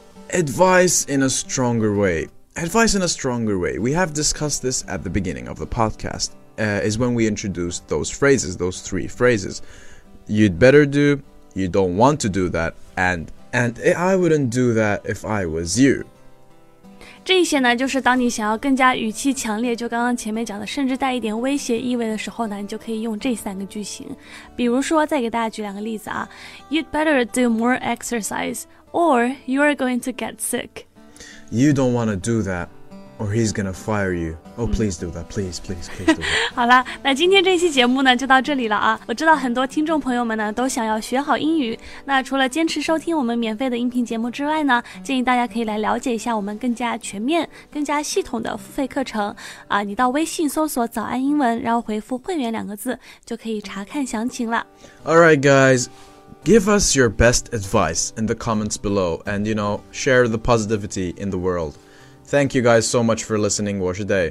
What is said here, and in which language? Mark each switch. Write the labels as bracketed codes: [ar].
[en] Advice in a stronger way. We have discussed this at the beginning of the podcast. Is when we introduce those phrases, those three phrases. You'd better do, you don't want to do that, and I wouldn't do that if I was you. [zh] 这一些呢就是当你想要更加语气强烈就刚刚前面讲的甚至带一点威胁意味的时候呢你就可以用这三个句型。比如说再给大家举两个例子啊。 [en] You'd better do more exercise, or you're going to get sick. You don't want to do that, or he's going to fire you. Oh, please do that. Please, please, please do that. [zh] 好了，那今天这期节目呢就到这里了啊。我知道很多听众朋友们呢都想要学好英语。那除了坚持收听我们免费的音频节目之外呢，建议大家可以来了解一下我们更加全面、更加系统的付费课程。啊，你到微信搜索早安英文，然后回复会员两个字，就可以查看详情了。 [en] All right, guys. Give us your best advice in the comments below and, you know, share the positivity in the world. Thank you guys so much for listening. [zh] 我是 [en] Day.